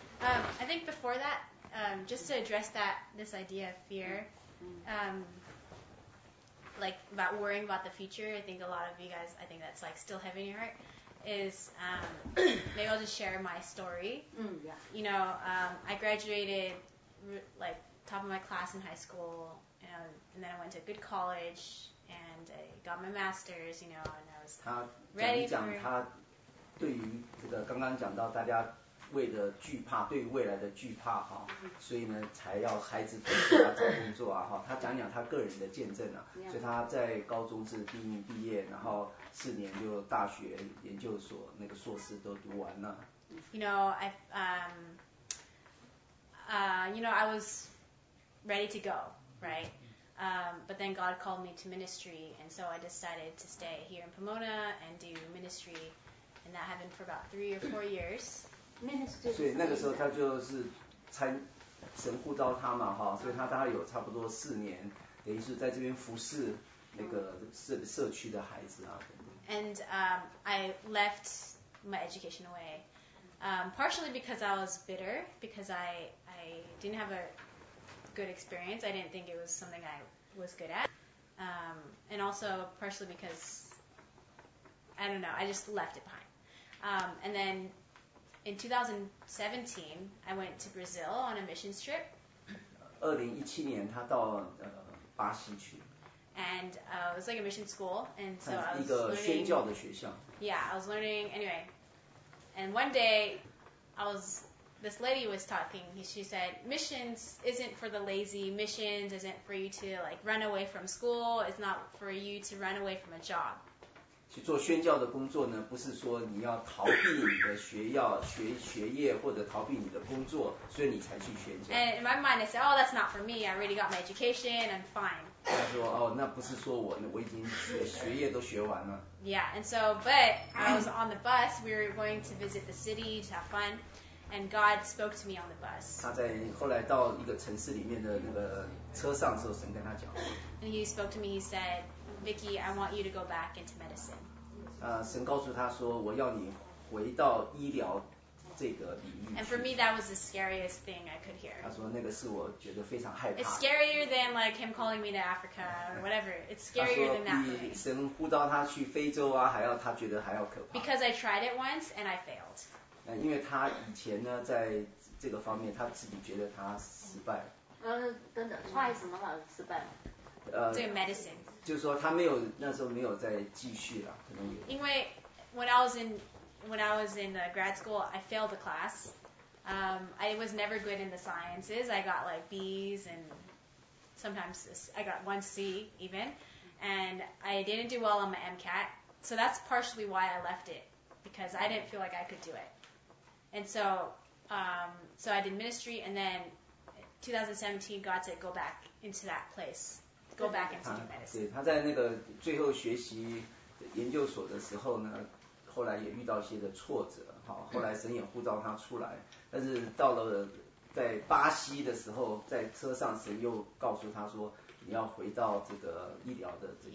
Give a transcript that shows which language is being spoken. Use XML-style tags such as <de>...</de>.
<en>I think before that， just to address that this idea of fear， like about worrying about the future, I think a lot of you guys, I think that's like still heavy in your heart, is maybe I'll just share my story. Yeah. You know, I graduated like top of my class in high school, you know, and then I went to a good college and I got my master's, you know, and I was ready for it.</en> <zh>他对于这个刚刚讲到大家为了惧怕，对于未来的惧怕哈，所以呢才要孩子读书啊，找工作啊哈。他讲讲他个人的见证啊，所以他在高中是第一毕业，然后四年就大学研究所那个硕士都读完了。</zh> <en>You know, you know, I was ready to go, right? But then God called me to ministry, and so I decided to stay here in Pomona and do ministry, and that happened for about 3 or 4 years.</en> <zh>所以那个时候他就是参神呼召他嘛哈，所以他大概有差不多四年，等于是在这边服侍那个社区的孩子啊。</zh> <en>And I left my education away, partially because I was bitter because I didn't have a good experience. I didn't think it was something I was good at. And also partially because I don't know, I just left it behind. And then. In 2017, I went to Brazil on a missions trip.</en> <zh>2017年他到巴西去。</zh> <en>And it was like a mission school, and so I was</en> <zh>一个宣教的学校。</zh> <en>Yeah, I was learning anyway. And one day, this lady was talking. She said, "Missions isn't for the lazy. Missions isn't for you to like run away from school. It's not for you to run away from a job."</en> <zh>去做宣教的工作呢，不是说你要逃避你的学业或者逃避你的工作，所以你才去宣教。</zh> <en>And in my mind, I said, "Oh, that's not for me. I already got my education. I'm fine."</en> <zh>他说，哦，那不是说我已经学业都学完了。</zh> <en>Yeah, and so, but I was on the bus. We were going to visit the city to have fun, and God spoke to me on the bus.</en> <zh>他在后来到一个城市里面的那个车上的时候，神跟他讲。</zh> <en>And He spoke to me. He said. Vicky, I want you to go back into medicine.</en> <zh>神告诉他说，我要你回到医疗这个领域。</zh> <en>And for me, that was the scariest thing I could hear.</en> <zh>他说那个是我觉得非常害怕。</zh> <en>It's scarier than like him calling me to Africa or whatever. It's scarier than that.</en> <zh>他说比神呼召他去非洲啊，他觉得还要可怕。</zh> <en>Because I tried it once and I failed.</en> <zh>因为他以前呢，在这个方面他自己觉得他失败。等等 ，try 什么了？失败了。这个 medicine 就是说他没有那时候没有再继续了，可能也因为</zh> <en>when I was in when I was in grad school, I failed a class. I was never good in the sciences. I got like B's and sometimes I got one C even. And I didn't do well on my MCAT. So that's partially why I left it, because I didn't feel like I could do it. And so so I did ministry, and then 2017 got to go back into that place, go back into medicine.</en> <zh>他在那个最后学习研究所的时候呢，后来也遇到一些的挫折，好，后来神也呼召他出来，但是到了在巴西的时候，在车上神又告诉他说，你要回到这个医疗的这个。</zh>